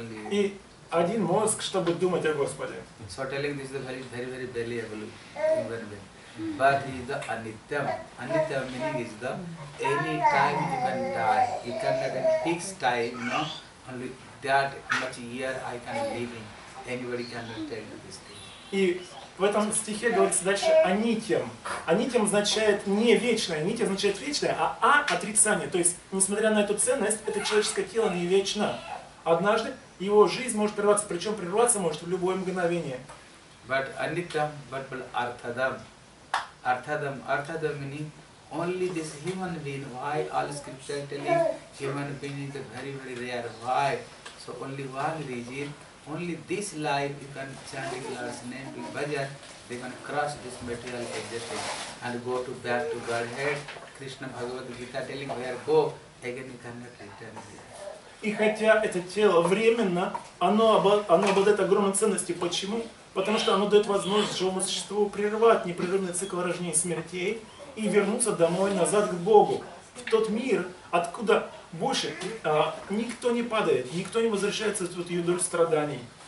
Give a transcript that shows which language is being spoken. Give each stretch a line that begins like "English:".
Russian: И один мозг, чтобы думать о Господе.
English: So telling this is a very, very, very valuable invention. But he is the anityam. Anityam meaning is the any time he can die. He can have a fixed time, you know, only that much year I can live in. Anybody can tell you this thing.
Russian: И в этом стихе говорится дальше «анитьям». «Анитьям» означает не вечное, «нитьям» означает вечное, а «а» — отрицание. То есть, несмотря на эту ценность, это человеческое тело не вечно. Однажды его жизнь может прерваться, причем прерваться может в любое мгновение.
English: But «анитьям», but «артадам». «Артадам», «артадам» meaning only this human being. Why all scripture telling human being is very, very rare. Why? So only one reason. Only this life you can chant Lord's name with bhajan, they can cross this material existence and go to back to Godhead. Krishna Bhagavad Gita telling where go, again you cannot return here.
Russian: И хотя это тело временно, оно обладает огромной ценностью. Почему? Потому что оно дает возможность живому существу прервать непрерывный цикл рождения и смертей и вернуться домой назад к Богу, в тот мир, откуда больше никто не падает, никто не возвращается в эту юдоль страданий.